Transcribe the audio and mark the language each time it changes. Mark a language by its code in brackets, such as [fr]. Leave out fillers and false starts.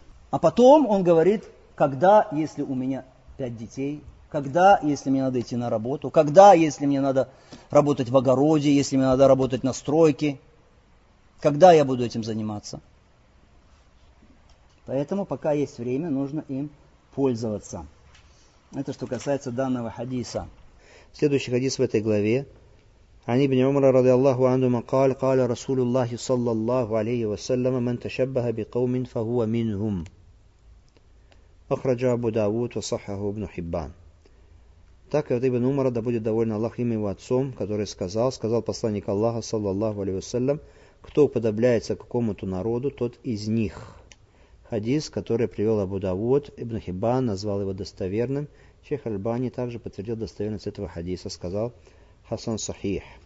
[ru] А потом он говорит, когда, если у меня 5 детей, когда, если мне надо идти на работу, когда, если мне надо работать в огороде, если мне надо работать на стройке, когда я буду этим заниматься. Поэтому, пока есть время, нужно им пользоваться. Это что касается данного хадиса. Следующий хадис в этой главе. [ar] عن ابن عمر رضي الله عنهما قال قال رسول الله صلى الله عليه وسلم من تشبه بقوم فهو منهم أخرجه أبو داود وصححه ابن حبان. [ru] Так вот ибн Умара, да будет доволен Аллах им и его отцом, который сказал посланник Аллаха [ar] صلى الله عليه وسلم, [ru] кто уподобляется какому-то народу, тот из них. Хадис, который привел Абу Давуд, ибн Хиббан назвал его достоверным. Шейх Аль-Бани также подтвердил достоверность этого хадиса, сказал Хасан Сахих.